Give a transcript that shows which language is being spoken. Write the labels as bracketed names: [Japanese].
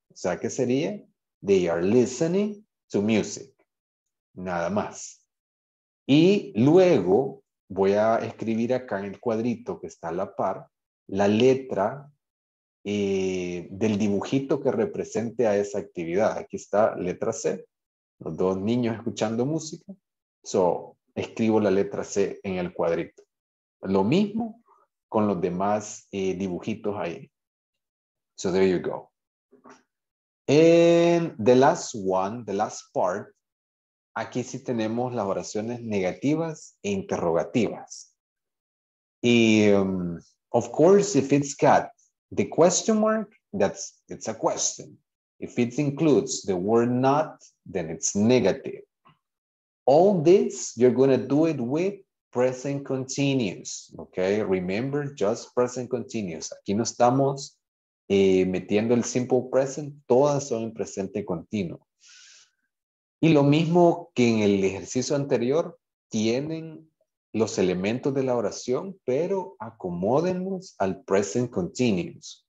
[Spanish] O sea, que sería, [English] they are listening to music. [Spanish] Nada más. Y luego voy a escribir acá en el cuadrito que está a la par, la letra del dibujito que represente a esa actividad. Aquí está letra C, los dos niños escuchando música. So, escribo la letra C en el cuadrito. Lo mismo con los demás dibujitos ahí. [English] So there you go. And the last one, the last part, [Spanish] aquí sí tenemos las oraciones negativas e interrogativas. [English] Y of course, if it's got the question mark, it's a question. If it includes the word not, then it's negative. All this, you're gonna do it with present continuous, okay? Remember, just present continuous. [Spanish] Aquí no estamos metiendo el simple present, todas son en presente continuo. Y lo mismo que en el ejercicio anterior, tienen los elementos de la oración, pero acomódenlos al present continuous.